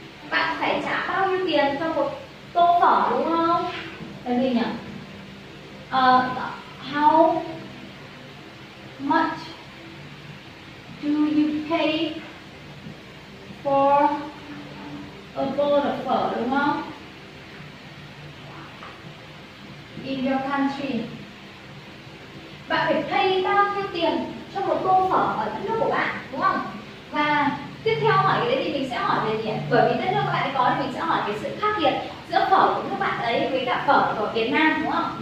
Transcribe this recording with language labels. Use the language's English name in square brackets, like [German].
[Vietnamese] Bạn phải trả bao nhiêu tiền cho một tô phở, đúng không? Là gì nhỉ? [English] How much do you pay for a bowl of phở, [Vietnamese] đúng không? [English] In your country, [Vietnamese] bạn phải pay bao nhiêu tiền cho một tô phở ở đất nước của bạn, đúng không? Và tiếp theo hỏi cái đấy thì mình sẽ hỏi về gì? Bởi vì đất nước các bạn có thì mình sẽ hỏi cái sự khác biệt giữa phở của nước bạn ấy với cả phở của Việt Nam, đúng không?